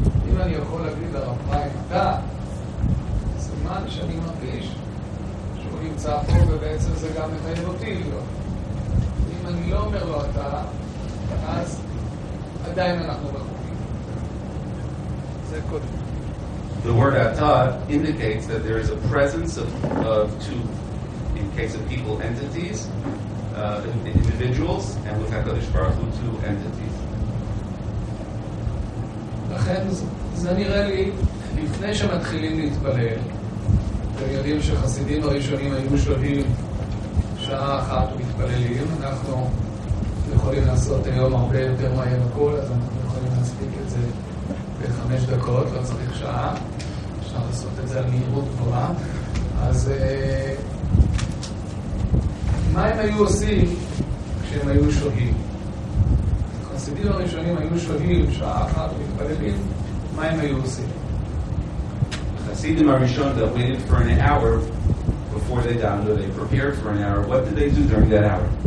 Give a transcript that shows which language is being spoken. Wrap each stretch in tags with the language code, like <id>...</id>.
<he>אם אני יכול להגיד לרב חיים, אתה, סימן שאני מרגיש שהוא נמצא פה, ובעצם זה גם מחייב אותי להיות. אם אני לא אומר לו אתה, אז עדיין אנחנו בחוקים. זה קודם.</he> <en>The word atah indicates that there is a presence of two, in case of people, entities, individuals, and with HaKadosh Baruch Hu, two entities.</en> <he>לכן זה נראה לי, לפני שמתחילים להתפלל, ויודעים שחסידים הראשונים היו שוהים שעה אחת מתפללים, אנחנו יכולים לעשות היום הרבה יותר מהר הכל, אז אנחנו יכולים להספיק את זה בחמש דקות, לא צריך שעה. אפשר לעשות את זה על מהירות גבוהה. אז מה הם היו עושים כשהם היו שוהים? חסידים הראשונים היו שוהים שעה אחת ומתפללים, מה הם היו עושים? חסידים הראשון,</he> <en>they waited for an hour before they downloaded, they prepared for an hour. What did they do during that hour?</en>